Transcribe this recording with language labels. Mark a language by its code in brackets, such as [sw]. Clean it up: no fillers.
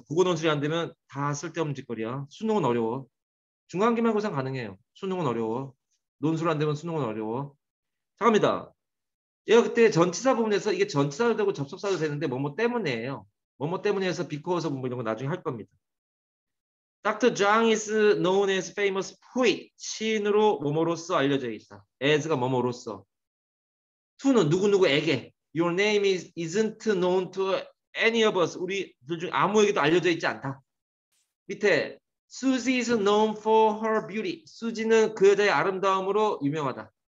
[ko] 국어 논술이 안 되면 다 쓸데없는 짓거리야. 수능은 어려워. 중간기말고사 가능해요. 수능은 어려워. 논술 안 되면 수능은 어려워. 잠깐만요. 얘가 그때 전치사 부분에서 이게 전치사도 되고 접속사도 되는데 뭐뭐 때문에예요. 뭐뭐 때문에 해서 because 부분 이런 거 나중에 할 겁니다. [en] Dr. Zhang is known as famous poet. [ko] 시인으로 뭐뭐로서 알려져 있다. as가 뭐뭐로서. to는 누구누구에게. [en] Your name isn't known to any of us. [ko] 우리들 중 아무에게도 알려져 있지 않다. 밑에 [en] Suzy is known for her beauty. [ko] 수지는 그 여자의 아름다움으로 유명하다.